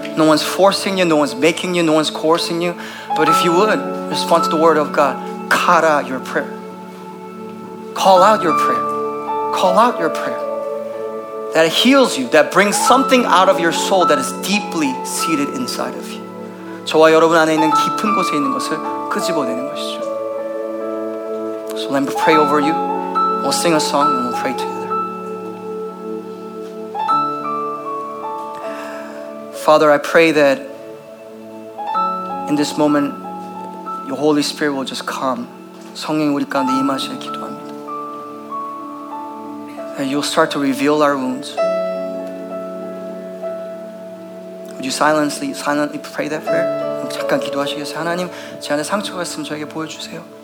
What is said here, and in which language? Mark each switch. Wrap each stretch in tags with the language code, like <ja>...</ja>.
<en>No one's forcing you, no one's making you, no one's coercing you. But if you would, respond to the word of God. Call out your prayer. Call out your prayer. Call out your prayer. That heals you, that brings something out of your soul that is deeply seated inside of you.</en> <ko>저와 여러분 안에 있는 깊은 곳에 있는 것을 끄집어내는 것이죠.</ko> <en>So let me pray over you. We'll sing a song and we'll pray together. Father, I pray that in this moment, your Holy Spirit will just come.</en> <ko>성령이 우리 가운데 임하시길 기도합니다.</ko> <en>That you'll start to reveal our wounds. Would you silently pray that prayer?</en> <ko>잠깐 기도하시겠어요? 하나님, 제 안에 상처가 있으면 저에게 보여주세요.</ko>